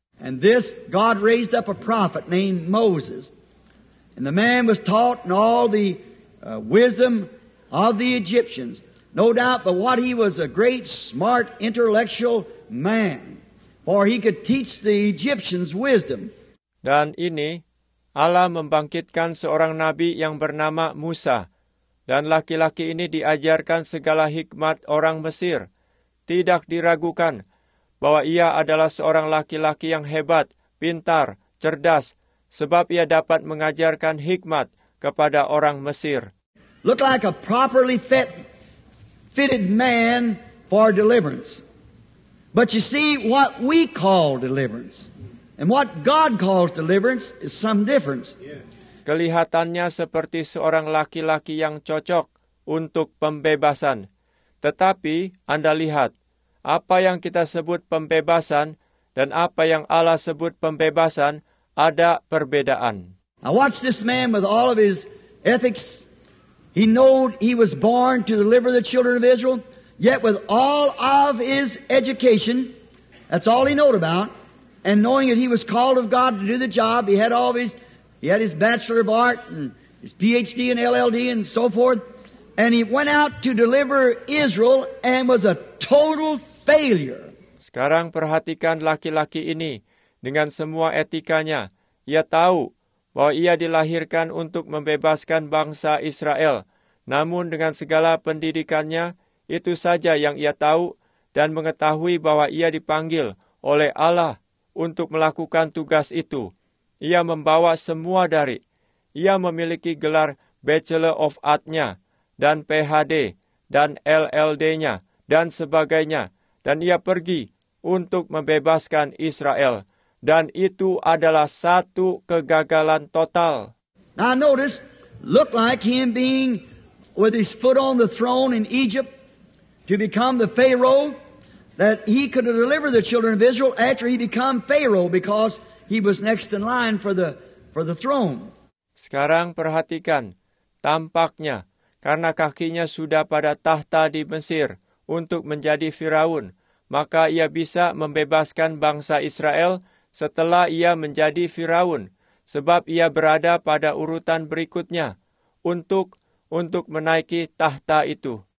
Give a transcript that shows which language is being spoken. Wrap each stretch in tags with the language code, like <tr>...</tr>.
<en>And this God raised up a prophet named Moses. And the man was taught in all the wisdom of the Egyptians, no doubt, but what he was a great, smart, intellectual man, for he could teach the Egyptians wisdom.</en> <id>Dan ini, Allah membangkitkan seorang nabi yang bernama Musa, dan laki-laki ini diajarkan segala hikmat orang Mesir. Tidak diragukan bahwa ia adalah seorang laki-laki yang hebat, pintar, cerdas, sebab ia dapat mengajarkan hikmat kepada orang Mesir.</id> <en>Looked like a properly fitted man for deliverance. But you see, what we call deliverance and what God calls deliverance is some difference.</en> <id>Kelihatannya seperti seorang laki-laki yang cocok untuk pembebasan. Tetapi, Anda lihat, apa yang kita sebut pembebasan dan apa yang Allah sebut pembebasan ada perbedaan.</id> <en>Now watch this man with all of his ethics. He knew he was born to deliver the children of Israel, yet with all of his education, that's all he knew about, and knowing that he was called of God to do the job, he had his Bachelor of Art and his PhD and LLD and so forth, and he went out to deliver Israel and was a total failure.</en> <id>Sekarang perhatikan laki-laki ini dengan semua etikanya. Ia tahu bahwa ia dilahirkan untuk membebaskan bangsa Israel. Namun dengan segala pendidikannya, itu saja yang ia tahu dan mengetahui bahwa ia dipanggil oleh Allah untuk melakukan tugas itu. Ia membawa semua dari. Ia memiliki gelar Bachelor of Art-nya dan PhD dan LLD-nya dan sebagainya. Dan ia pergi untuk membebaskan Israel. Dan itu adalah satu kegagalan total.</id> <en>Now notice, look like him being with his foot on the throne in Egypt to become the Pharaoh, that he could deliver the children of Israel after he become Pharaoh because he was next in line for the throne.</en> <id>Sekarang perhatikan, tampaknya karena kakinya sudah pada tahta di Mesir untuk menjadi Firaun, maka ia bisa membebaskan bangsa Israel setelah ia menjadi Firaun, sebab ia berada pada urutan berikutnya untuk menaiki tahta itu.</id>